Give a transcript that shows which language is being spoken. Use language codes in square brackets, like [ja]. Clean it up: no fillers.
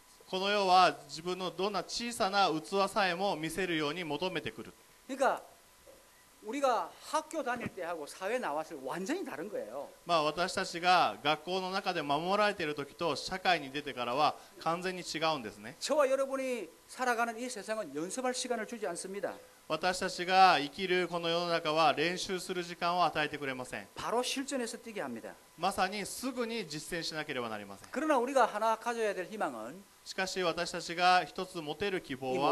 [ja] この世は自分のどんな小さな器さえも見せるように求めてくる [ko] 그러니까우리가학교다닐때하고사회나왔을때완전히다른거예요 [ja] まあ私たちが学校の中で守られている時と社会に出てからは完全に違うんですね [ko] 저와여러분이살아가는이세상은연습할시간을주지않습니다 [ja] 私たちが生きるこの世の中は練習する時間を与えてくれません [ko] 바로실전에서뛰게합니다 [ja] まさにすぐに実践しなければなりません [ko] 그러나우리가하나가져야될희망은 [ja] しかし私たちが一つ持てる希望は